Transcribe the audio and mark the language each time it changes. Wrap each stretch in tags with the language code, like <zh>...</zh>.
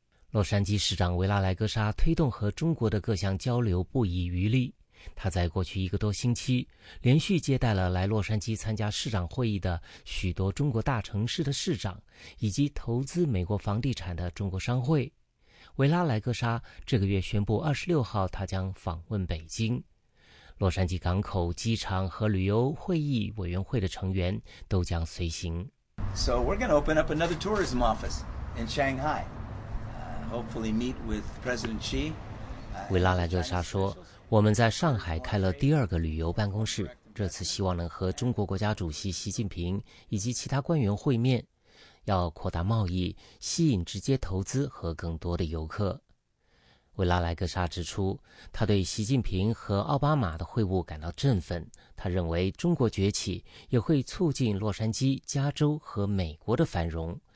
<zh>洛杉矶市长维拉莱格沙推动和中国的各项交流不遗余力，他在过去一个多星期连续接待了来洛杉矶参加市长会议的许多中国大城市的市长，以及投资美国房地产的中国商会。维拉莱格沙这个月宣布26号他将访问北京。洛杉矶港口、机场和旅游会议委员会的成员都将随行。</zh> <en>So we're going to open up another tourism office in Shanghai. Hopefully meet with President Xi.</en> <zh>维拉莱格沙说，我们在上海开了第二个旅游办公室，这次希望能和中国国家主席习近平以及其他官员会面，要扩大贸易，吸引直接投资和更多的游客。维拉莱格沙指出，他对习近平和奥巴马的会晤感到振奋，他认为中国崛起也会促进洛杉矶、加州和美国的繁荣。</zh>